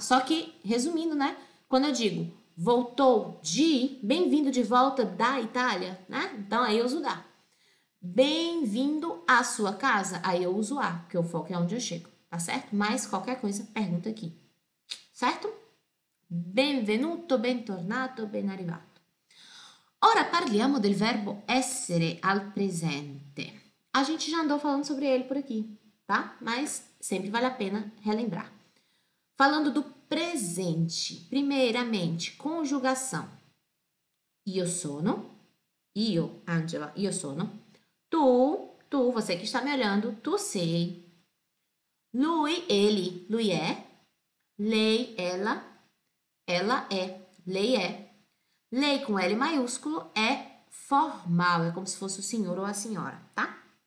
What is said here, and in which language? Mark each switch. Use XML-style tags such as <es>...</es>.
<pt>Só que, resumindo, né? Quando eu digo voltou de, bem-vindo de volta da Itália, né? Então aí eu uso da. Bem-vindo à sua casa, aí eu uso a, porque o foco é onde eu chego, tá certo? Mas qualquer coisa, pergunta aqui, certo?</pt> <it>Benvenuto, bentornato, ben arrivato. Ora parliamo del verbo essere al presente.</it> <pt>A gente já andou falando sobre ele por aqui, tá? Mas sempre vale a pena relembrar. Falando do presente, primeiramente, conjugação.</pt> <it>Io sono, io, Angela, io sono.</it> <pt>Tu, você que está me olhando,</pt> <it>tu sei. Lui,</it> <pt>ele,</pt> <it>lui é. Lei,</it> <pt>ela é.</pt> <it>Lei é.</it> <pt>Lei com L maiúsculo é formal, é como se fosse o senhor ou a senhora, tá?</pt>